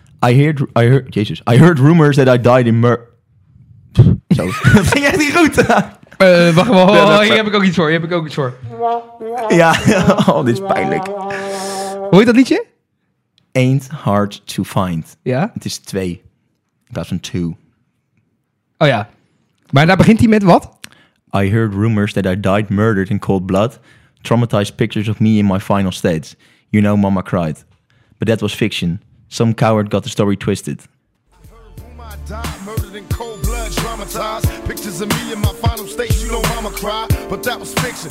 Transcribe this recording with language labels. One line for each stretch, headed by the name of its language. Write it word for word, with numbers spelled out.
English: I heard, I heard, Jesus, I heard rumors that I died in mur...
Dutch: Zo. Dat ging echt niet goed. uh, wacht maar, oh, oh, hier heb ik ook iets voor, hier heb ik ook iets voor. Ja, oh, dit is pijnlijk. Hoor je dat liedje?
English: Ain't hard to find.
Dutch: Ja? Het is twee. In plaats van two. Oh ja. Maar daar begint hij met wat?
English: I heard rumors that I died murdered in cold blood. Traumatized pictures of me in my final states. You know mama cried. But that was fiction. Some coward got the story twisted. I heard whom I died murdered in cold blood. Traumatized pictures of me in my final states. You know mama cried. But that was fiction.